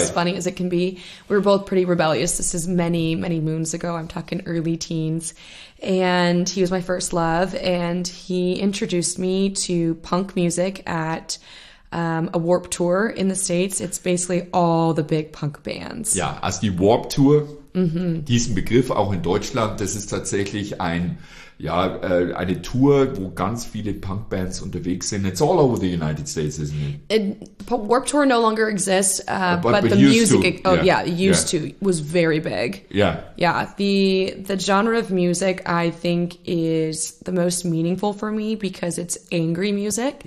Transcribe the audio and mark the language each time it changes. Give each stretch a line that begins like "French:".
English: As funny as it can be. We were both pretty rebellious. This is many, many moons ago. I'm talking early teens. And he was my first love. And he introduced me to punk music at a Warped Tour in the States. It's basically all the big punk bands.
German: Ja, also die Warped Tour, diesen Begriff auch in Deutschland, das ist tatsächlich ein, ja, eine Tour, wo ganz viele Punkbands unterwegs sind.
English: It's all over the United States, isn't it? Warped Tour no longer exists, but the music, was very big. Yeah. Yeah, the genre of music, I think, is the most meaningful for me because it's angry music.